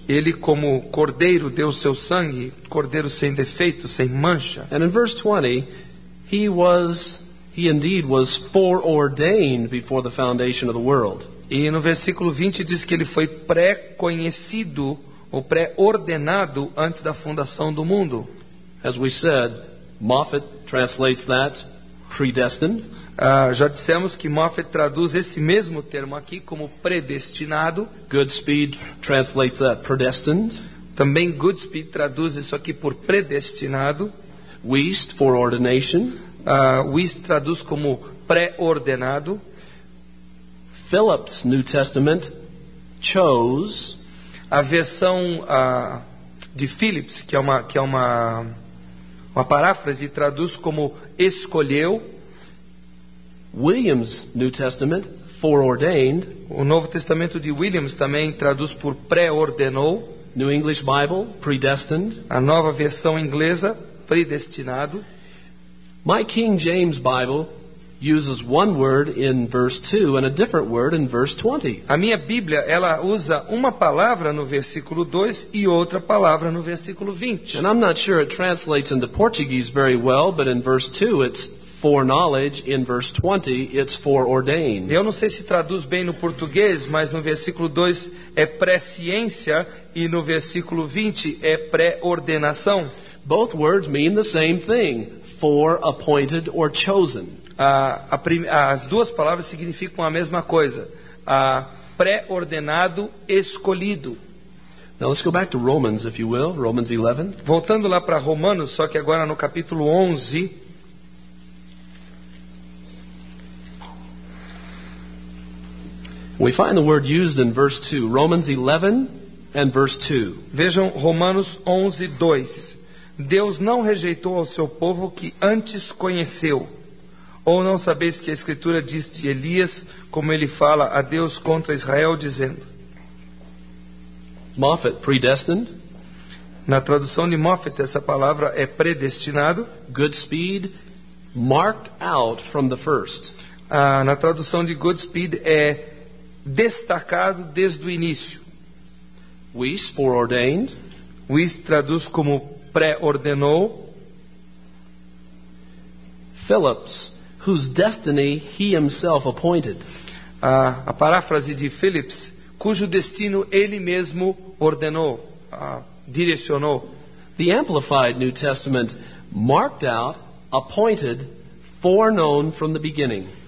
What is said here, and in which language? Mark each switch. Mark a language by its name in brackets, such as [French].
[Portuguese] Ele como cordeiro deu seu sangue, cordeiro sem defeito, sem mancha. [English] And in verse 20, he indeed was foreordained before the foundation of the world. [Portuguese] E no versículo 20 diz que ele foi pré-conhecido ou pré-ordenado antes da fundação do mundo. [English] As we said, Moffat translates that predestined. [Portuguese] Já dissemos que Moffat traduz esse mesmo termo aqui como predestinado. [English] Goodspeed translates that predestined. [Portuguese] Também Goodspeed traduz isso aqui por predestinado. [English] Wiest for ordination. [Portuguese] Wiest traduz como pré-ordenado. [English] Phillips New Testament chose. [Portuguese] A versão de Phillips, que é uma paráfrase, traduz como escolheu. [English] Williams New Testament foreordained. [Portuguese] O Novo Testamento de Williams também traduz por pré-ordenou. [English] New English Bible predestined. [Portuguese] A nova versão inglesa, predestinado. [English] My King James Bible uses one word in verse 2 and a different word in verse 20. [Portuguese] A minha Bíblia, ela usa uma palavra no versículo 2 e outra palavra no versículo 20. [English] And I'm not sure it translates into Portuguese very well, but in verse 2 it's foreknowledge, in verse 20 it's foreordained. [Portuguese] Eu não sei se traduz bem no português, mas no versículo 2 é presciência e no versículo 20 é pré-ordenação. [English] Both words mean the same thing, for appointed or chosen. [Portuguese] As duas palavras significam a mesma coisa, pré-ordenado, escolhido. [English] Now let's go back to Romans, if you will, Romans 11. [Portuguese] Voltando lá para Romanos, só que agora no capítulo 11. [English] We find the word used in verse 2, Romans 11 and verse 2. [Portuguese] Vejam Romanos 11, 2. Deus não rejeitou ao seu povo que antes conheceu. Ou não sabeis que a Escritura diz de Elias, como ele fala a Deus contra Israel, dizendo? [English] Moffat, predestined. [Portuguese] Na tradução de Moffat, essa palavra é predestinado. [English] Goodspeed, marked out from the first. [Portuguese] Na tradução de Goodspeed é destacado desde o início. [English] Wiest, foreordained. [Portuguese] Wiest traduz como pré-ordenou. [English] Phillips, whose destiny he himself appointed. [Portuguese] A paráfrase de Phillips, cujo destino ele mesmo ordenou, direcionou. [English] The Amplified New Testament marked out, appointed, foreknown from the beginning.